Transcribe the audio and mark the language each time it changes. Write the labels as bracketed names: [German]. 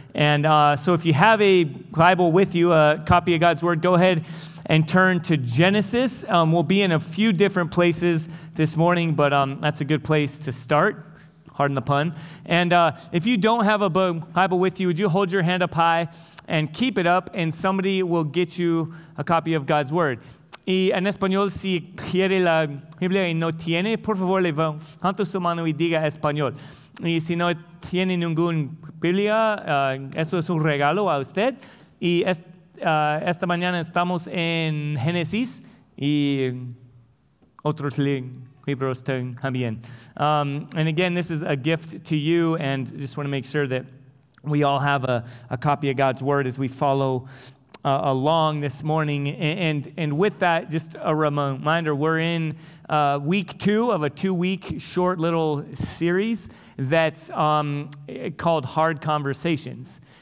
[English] And so if you have a Bible with you, a copy of God's Word, go ahead and turn to Genesis. We'll be in a few different places this morning, but that's a good place to start. Pardon the pun. And if you don't have a Bible with you, would you hold your hand up high and keep it up, and somebody will get you a copy of God's Word. [Spanish] Y en español, si quiere la Biblia y no tiene, por favor, levante su mano y diga español. Y si no tiene ninguna Biblia, eso es un regalo a usted. Y esta mañana estamos en Génesis y otros libros también. [English] And again, this is a gift to you, and just want to make sure that we all have a copy of God's Word as we follow along this morning. And with that, just a reminder, we're in week two of a two-week short little series that's called Hard Conversations.